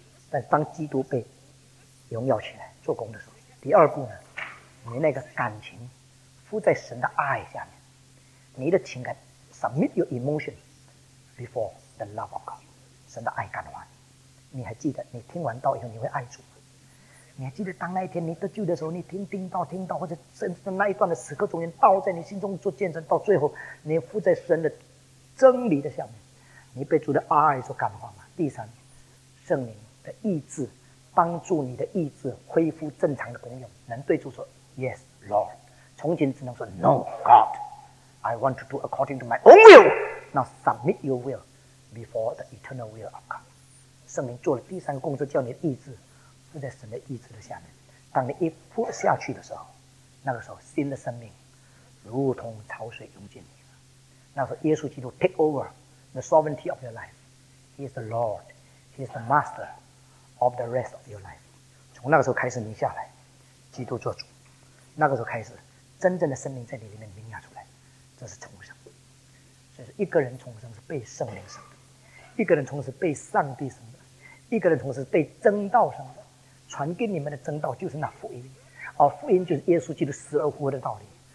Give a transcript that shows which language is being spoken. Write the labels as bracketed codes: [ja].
[zh] 但当基督被荣耀起来做工的时候，第二步呢，你那个感情附在神的爱下面，你的情感 [en] submit your emotion before the love of God， [zh] 神的爱感化你。你还记得你听完道以后你会爱主，你还记得当那一天你得救的时候，你听到或者甚至那一段的时刻中间，道在你心中做见证，到最后你附在神的真理的下面，你被主的爱所感化吗？第三，圣灵的意志帮助你的意志恢复正常的功用，能对主说 [en] Yes Lord， 从前只能说 No God， I want to do according to my own will， Now submit your will before the eternal will of God。 [zh] 圣灵做了第三个工作，叫你的意志附在神的意志的下面。当你一扑下去的时候，那个时候新的生命如同潮水涌进你了。那个时候耶稣基督 [en] take over the sovereignty of your life， He is the Lord， He is the masterOf the rest of your life， [zh] 从那个时候开始，你下来，基督做主。那个时候开始，真正的生命在你里面萌芽出来，这是重生。所以说，一个人重生是被圣灵生的，一个人重生是被上帝生的，一个人重生是被真道生的。传给你们的真道就是那福音，而福音就是耶稣基督死而复活的道理。